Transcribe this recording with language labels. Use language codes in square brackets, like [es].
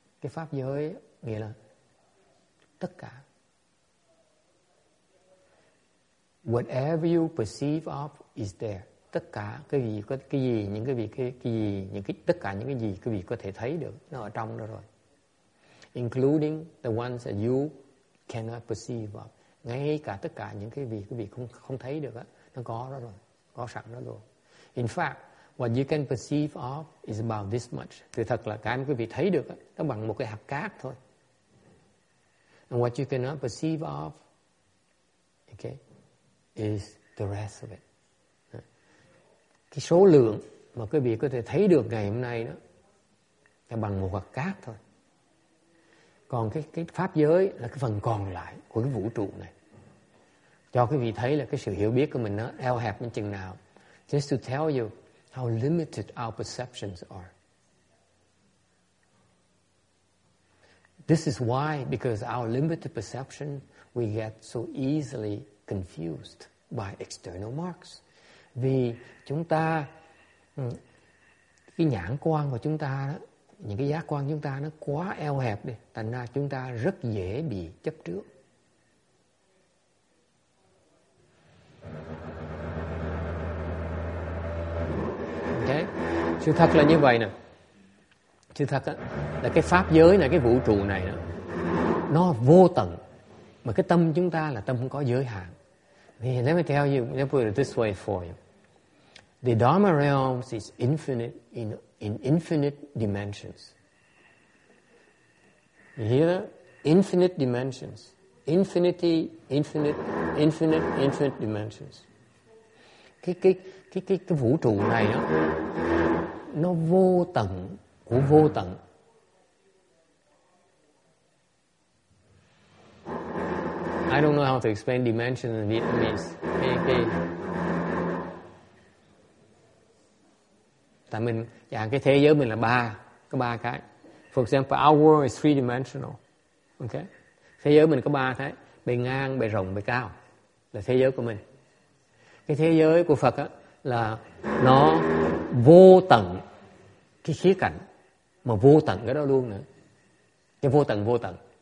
[vi] Cái Pháp giới nghĩa là tất cả. [en] Whatever you perceive of is there. [vi] Tất cả những cái gì quý vị có thể thấy được, nó ở trong đó rồi. [en] Including the ones that you cannot perceive of. [vi] Ngay cả tất cả những cái gì quý vị không thấy được á, nó có đó rồi, có sẵn đó rồi. [en] In fact, what you can perceive of is about this much. [vi] Thì thật là cái mà quý vị thấy được á, nó bằng một cái hạt cát thôi. [en] And what you cannot perceive of, okay, is the rest of it. [vi] Cái số lượng mà quý vị có thể thấy được ngày hôm nay đó là bằng một hạt cát thôi. Còn cái pháp giới là cái phần còn lại của cái vũ trụ này. Cho quý vị thấy là cái sự hiểu biết của mình nó eo hẹp như chừng nào. [en] Just to tell you how limited our perceptions are. This is why, because our limited perception, we get so easily confused by external marks. [vi] Vì chúng ta, cái nhãn quan của chúng ta đó, những cái giác quan chúng ta nó quá eo hẹp đi, thành ra chúng ta rất dễ bị chấp trước. Okay. Sự thật là như vậy nè. Sự thật là cái pháp giới này, cái vũ trụ này đó, nó vô tận. Mà cái tâm chúng ta là tâm không có giới hạn. [en] Let me tell you, let me put it this way for you. The Dharma realm is infinite in infinite dimensions. You hear that? Infinite dimensions. Infinity, infinite, infinite, infinite dimensions. [vi] Cái vũ trụ này đó, nó vô tận của vô tận. [en] I don't know how to explain dimensions in Vietnamese. Okay. [vi] Tại mình, dạng cái thế giới mình là ba, có ba cái. [en] For example, our world is three dimensional. Okay. [vi] Thế giới mình có ba cái, bề ngang, bề rộng, bề cao, là thế giới của mình. Cái thế giới của Phật á, là nó vô tận cái khía cạnh, mà vô tận cái đó luôn nữa. Cái vô tận.